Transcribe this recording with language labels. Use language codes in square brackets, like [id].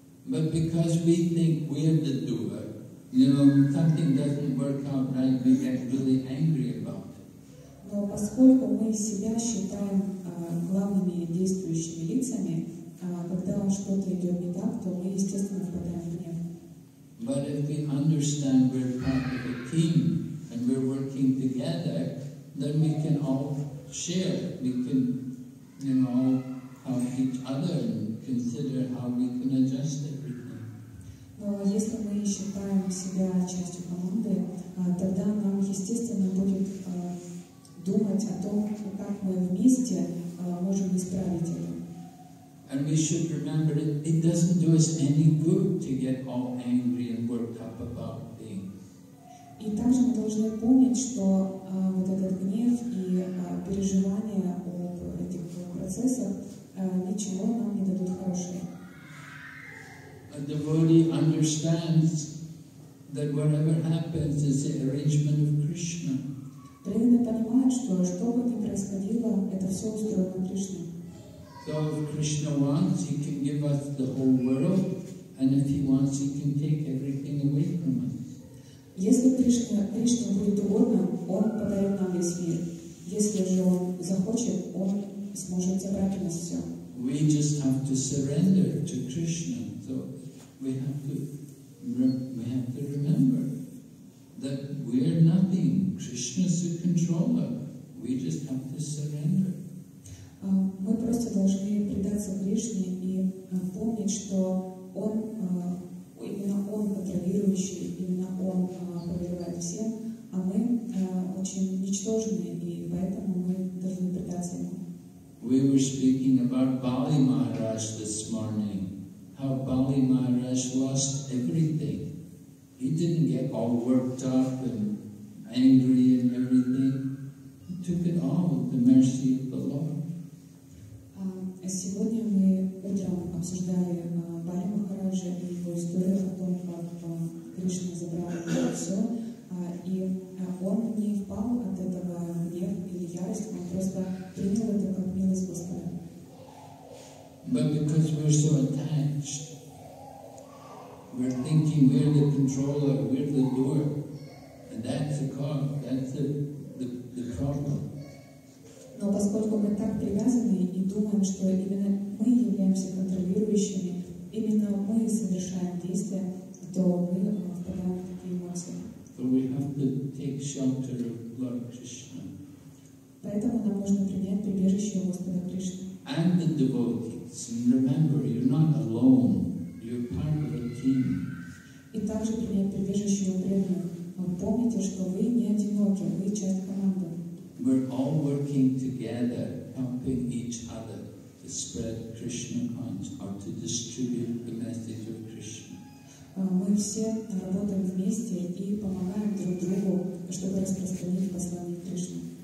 [en] But because we think we're the doer, you know, something doesn't work out right, we get really angry about it. [ru] Но поскольку мы себя считаем главными действующими лицами, когда что-то идет не так, то мы естественно впадаем в гнев. [en] But if we understand we're part of a team and we're working together, then we can all share. We can, you know, help each other and consider how we can adjust everything. [ru] Но если мы считаем себя частью команды, тогда нам естественно будет думать о том, как мы вместе можем исправить это. [en] And we should remember that it doesn't do us any good to get all angry and worked up about things. [ru] И также мы должны помнить, что вот этот гнев и переживания об этих процессах ничего нам не дадут хорошего. [en] A devotee understands that whatever happens is the arrangement of Krishna. [ru] Преданный понимает, что что бы ни происходило, это все устроено Кришной. [en] So if Krishna wants, he can give us the whole world, and if he wants, he can take everything away from us. [ru] Если Кришна будет угодно, он подарит нам весь мир. Если же он захочет, он сможет забрать у нас все. [en] We just have to surrender to Krishna. So we have to remember that we are nothing. Krishna is the controller. We just have to surrender. [ru] Мы просто должны предаться Кришне и помнить, что Он, именно Он контролирующий, именно Он повелевает всем, а мы очень ничтожные, и поэтому мы должны предаться Ему. [en] We were speaking about Bali Maharaj this morning, how Bali Maharaj lost everything. He didn't get all worked up and angry and everything. He took it all with the mercy of the Lord. [ru] Сегодня мы утром обсуждали Бали Махараджа и его историю о том, как Кришна забрал у него все, и он не впал от этого в гнев или ярость, он просто принял это как милость Господа. [en] But because we're so attached, we're thinking we're the controller, we're the doer, and that's the cause, that's the problem. [ru] Но поскольку мы так привязаны и думаем, что именно мы являемся контролирующими, именно мы совершаем действия, то мы впадаем в такие эмоции. [en] So we have to take shelter of Lord Krishna. [ru] Поэтому нам нужно принять прибежище у Господа Кришны. [en] And the devotees. Remember, you're not alone. You're part of a team. [ru] И также принять прибежище у преданных. Помните, что вы не одиноки, вы часть команды. [en] We're all working together, helping each other to spread Krishna consciousness or to distribute the message of Krishna. [ru] Мы все работаем вместе и помогаем друг другу, чтобы распространить послание Кришны.